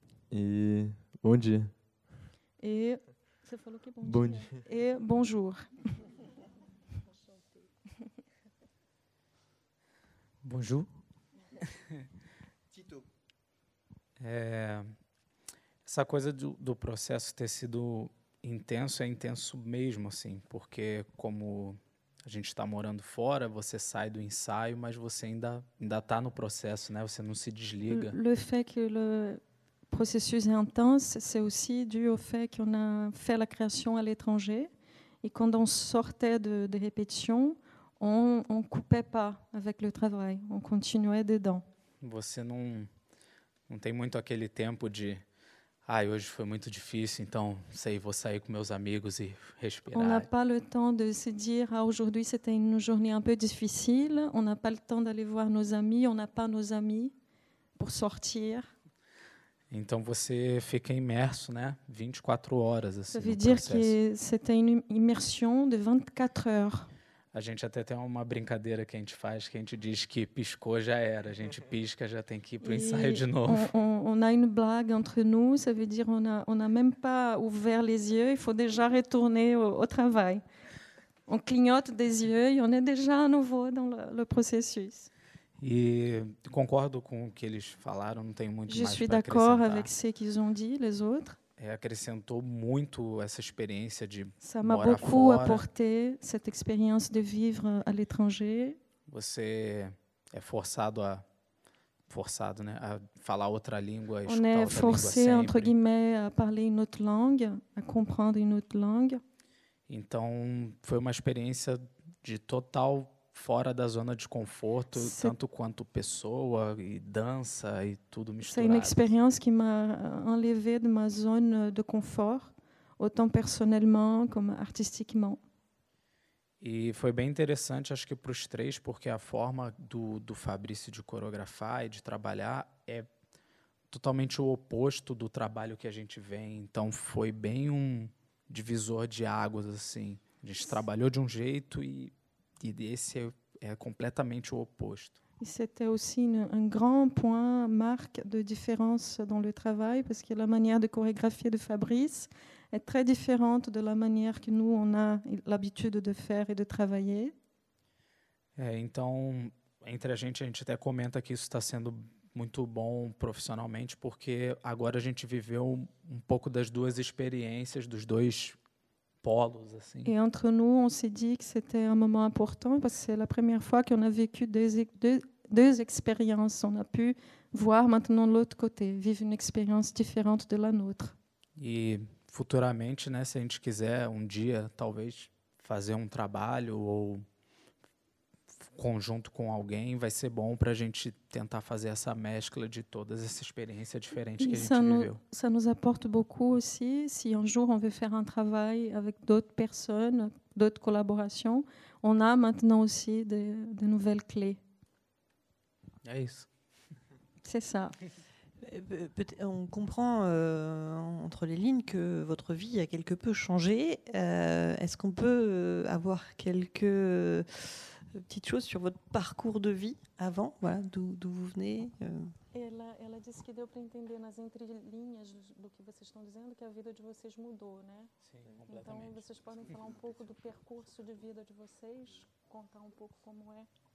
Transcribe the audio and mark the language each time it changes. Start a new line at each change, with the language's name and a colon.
French: Et
Portuguese: bon dia. Et você falou que bon, bon dia.
French: Et bonjour. Bonjour.
Portuguese: Tito. Essa coisa do processo ter sido intenso é intenso mesmo, assim, porque como a gente está morando fora, você sai do ensaio, mas você ainda está no processo, né? Você não se desliga.
French: Le fait que le processus est intense, c'est aussi dû au fait qu'on a fait la création à l'étranger et quand on sortait de répétition, on coupait pas avec le travail, on continuait dedans.
Portuguese: Você não tem muito aquele tempo de ah, hoje foi muito difícil, então sei, vou sair com meus amigos e respirar.
French: On n'a pas le temps de se dire ah, aujourd'hui c'était une journée un peu difficile. On n'a pas le temps d'aller voir nos amis. On n'a pas nos amis pour sortir.
Portuguese: Então você fica imerso, né? 24 horas assim.
French: Ça veut dire que c'était une immersion de 24 heures.
Portuguese: A gente até tem uma brincadeira que a gente faz, que a gente diz que piscou, já era. A gente pisca, já tem que ir para o ensaio de novo.
French: On a une blague entre nous, ça veut dire on a même pas ouvert les yeux, il faut déjà retourner au travail. On clignote des yeux et on est déjà à nouveau dans le processus.
Portuguese: E concordo com o que eles falaram, não tenho muito mais para acrescentar.
French: Je suis d'accord avec ce qu'ils ont dit, les autres.
Portuguese: Acrescentou muito essa experiência de
French: ça m'a
Portuguese: morar
French: beaucoup
Portuguese: fora.
French: Apporté cette expérience de vivre à l'étranger.
Portuguese: Você é forçado, né, a falar outra língua,
French: on
Portuguese: escutar outra língua.
French: On est forcé entre guillemets à parler une autre langue, à comprendre une autre langue.
Portuguese: Então, foi uma experiência de total fora da zona de conforto, tanto quanto pessoa e dança e tudo misturado.
French: C'est une expérience qui m'a enlevé de ma zone de confort, autant personnellement comme artistiquement.
Portuguese: E foi bem interessante, acho que para os três, porque a forma do Fabrício de coreografar e de trabalhar é totalmente o oposto do trabalho que a gente vem. Então foi bem um divisor de águas, assim. A gente trabalhou de um jeito e esse é completamente o oposto. E
French: c'était aussi un grand point marque de différence dans le travail, parce que la manière de chorégraphier de Fabrice est très différente de la manière que nous on a l'habitude de faire et de travailler.
Portuguese: Então, entre a gente até comenta que isso está sendo muito bom profissionalmente, porque agora a gente viveu um pouco das duas experiências, dos dois polos, assim.
French: Et entre nous, on s'est dit que c'était un moment important parce que c'est la première fois qu'on a vécu deux expériences. On a pu voir maintenant l'autre côté, vivre une expérience différente de la nôtre. Et
Portuguese: futuramente, né, se a gente quiser um dia talvez fazer um trabalho ou conjunto com alguém, vai ser bom para a gente tentar fazer essa mescla de todas essas experiências diferentes que a gente viveu.
French: Ça nous apporte beaucoup aussi, si un jour on veut faire un travail avec d'autres personnes, d'autres collaborations, on a maintenant aussi de nouvelles clés.
Portuguese: É isso.
French: C'est ça. On comprend entre les lignes que votre vie a quelque peu changé. Est-ce qu'on peut avoir quelques petite chose sur votre parcours de vie avant, voilà, d'où vous venez.
Portuguese: Ela disse que deu para entender nas entrelinhas do que vocês estão dizendo que a vida de vocês mudou, né? Sim, então vocês podem falar um pouco do percurso de vida de vocês, contar um pouco como é